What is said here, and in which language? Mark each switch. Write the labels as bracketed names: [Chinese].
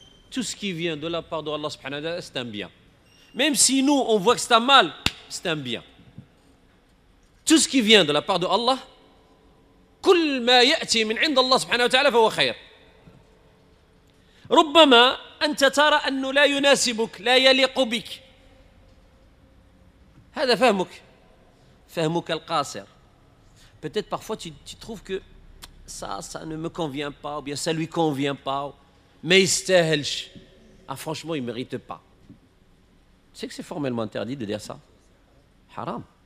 [French] Tout ce qui vient de la part de Allah subhanahu wa ta'ala, c'est un bien. Même si nous, on voit que c'est un mal, c'est un bien. Tout ce qui vient de la part de Allah, [Arabic] كل ما يأتي من عند الله سبحانه وتعالى فهو خير. ربما أنت ترى أنه لا يناسبك، لا يليق بك. هذا فهمك. فهمك القاصر. [French] Peut-être parfois tu trouves que Ça ne me convient pas, ou bien ça lui convient pas, mais il stèche. Ah, franchement, il ne mérite pas. Tu sais que c'est formellement interdit de dire ça? Haram.